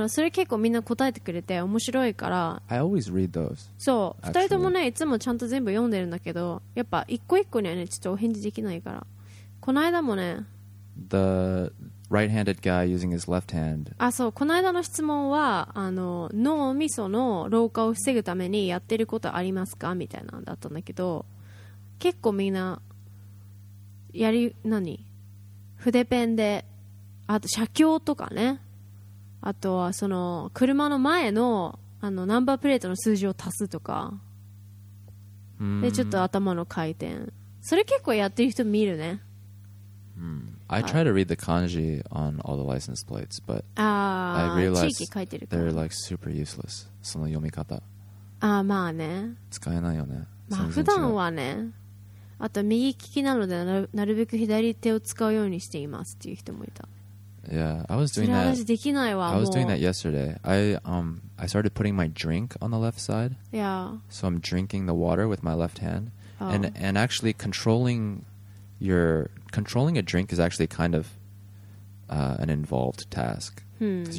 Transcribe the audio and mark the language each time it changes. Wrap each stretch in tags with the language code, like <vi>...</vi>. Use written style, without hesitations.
<ja>で、それ結構みんな答えてくれて面白いから。</ja> <en>I always read those.</en> <ja>そう、二人ともね、いつもちゃんと全部読んでるんだけど、やっぱ一個一個にはね、ちょっとお返事できないから。この間もね。</ja> <en>The right-handed guy using his left hand.</en> <ja>あ、そう、この間の質問は、脳みその老化を防ぐためにやってることありますか? みたいなんだったんだけど、結構みんな、筆ペンで、あと写経とかね。あとはその車の前 の, ナンバープレートの数字を足すとか、 mm. でちょっと頭の回転それ結構やってる人見るね、 mm.</ja> <en>I try to read the kanji on all the license plates but I realized they're like super useless</en> <ja>その読み方ああまあね使えないよねまあ普段はねあと右利きなのでなるべく左手を使うようにしていますっていう人もいた</ja> <en>Yeah, I was doing that. I was doing that yesterday. I started putting my drink on the left side. Yeah. So I'm drinking the water with my left hand. Oh. And actually controlling a drink is actually kind of an involved task. Because</en>